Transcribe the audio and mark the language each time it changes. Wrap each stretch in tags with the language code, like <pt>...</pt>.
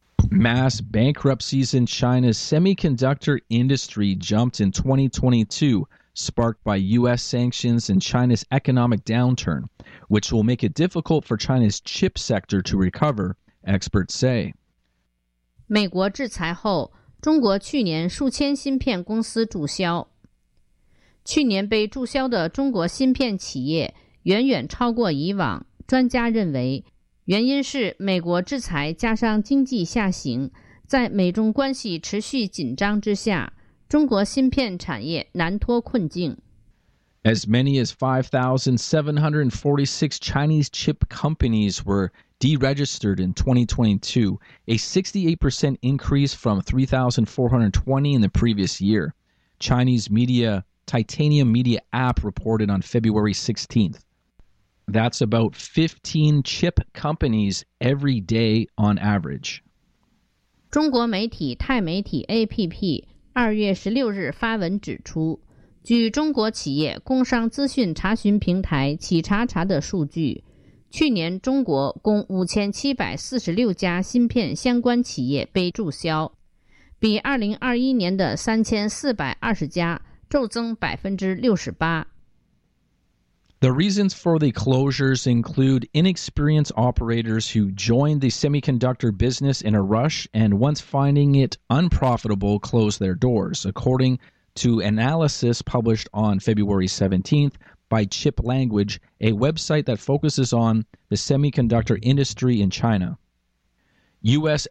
<en>Mass bankruptcies in China's semiconductor industry jumped in 2022, sparked by U.S. sanctions and China's economic downturn, which will make it difficult for China's chip sector to recover, experts say.</en> <zh>美国制裁后，中国去年数千芯片公司注销。去年被注销的中国芯片企业远远超过以往，专家认为原因是美国制裁加上经济下行，在美中关系持续紧张之下，中国芯片产业难脱困境。</zh> <en>As many as 5,746 Chinese chip companies were deregistered in 2022, a 68% increase from 3,420 in the previous year. Chinese media Titanium Media App reported on February 16th. That's about 15 chip companies every day on average.</en> <zh>中国媒体泰媒体 APP 2月16日发文指出，据中国企业工商资讯查询平台企查查的数据，去年中国共5746家芯片相关企业被注销，比2021年的3420家骤增 68%。</zh> <en>The reasons for the closures include inexperienced operators who joined the semiconductor business in a rush and once finding it unprofitable closed their doors, according to analysis published on February 17th by Chip Language, a website that focuses on the semiconductor industry in China. U.S.</en>